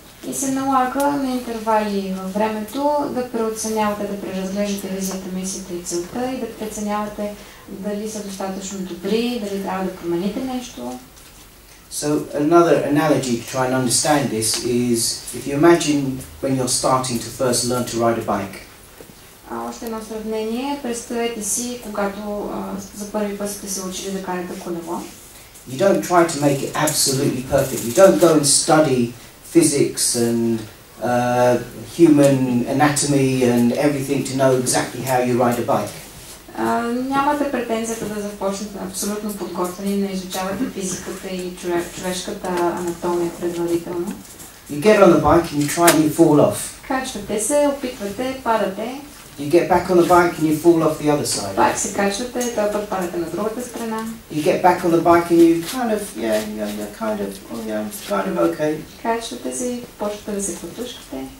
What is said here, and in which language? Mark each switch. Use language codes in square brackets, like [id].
[bg] И се налага на интервали във времето да преоценявате, да преразглеждате визията, мисията и целта и да преценявате дали са достатъчно добри, дали трябва да промените нещо. [en] So another analogy to try and understand this is if you imagine when you're starting to first learn to ride a bike. [bg] Още едно сравнение. Представете си, когато за първи път сте се учили да карате колело. [en] You don't try to make it absolutely perfect. You don't go and study physics and human anatomy and everything to know exactly how you ride a bike. [bg] Нямате претенцията да започнете абсолютно подготвени, не изучавате физиката и човешката анатомия предварително. [en] You get on the bike and you try and you fall off. [bg] Качвате се, опитвате, падате. [en] You get back on the bike and you fall off the other side. [bg] Пак се качвате, този път падате на другата страна. [en] You get back on the bike and you kind of, yeah, kind of okay. [bg] Качвате се, почвате да се потушкате.